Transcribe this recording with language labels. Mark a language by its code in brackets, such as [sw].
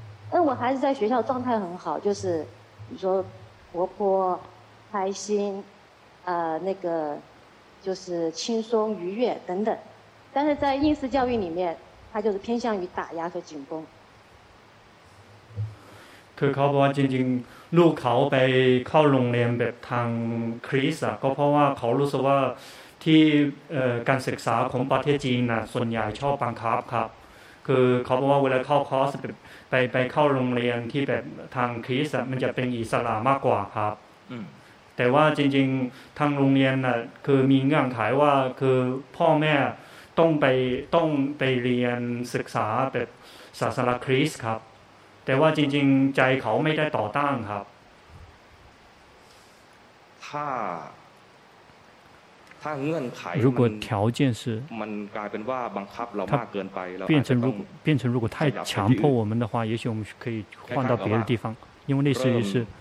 [zh] 但我孩子在学校状态很好，就是你说活泼开心，那个就是轻松愉悦等等，但是在应试教育里面他就是偏向于打压和紧绷。 [th] คือเขาบอกว่าจริงๆลูกเขาไปเข้าโรงเรียนแบบทางคริสต์ก็เพราะว่าเขารู้สึกว่าที่การศึกษาของประเทศจีนน่ะส่วนใหญ่ชอบบังคับครับคือเขาบอกว่าเวลาเข้าคอร์สไปเข้าโรงเรียนที่แบบทางคริสต์มันจะเป็นอิสระมากกว่าครับ แต่ว่าจริงๆทางโรงเรียนน่ะคือมีเงื่อนไขว่าคือพ่อแม่ต้องไปเรียนศึกษาแบบศาสนาคริสต์ครับแต่ว่าจริงๆใจเขาไม่ได้ต่อต้านครับ ถ้าเงื่อนไข รู้กฎ [zh] 条件是 [th] มันกลายเป็นว่าบังคับเรามากเกินไปแล้ว [zh] 变成如果太强迫我们的话也许我们可以换到别的地方因为类似于是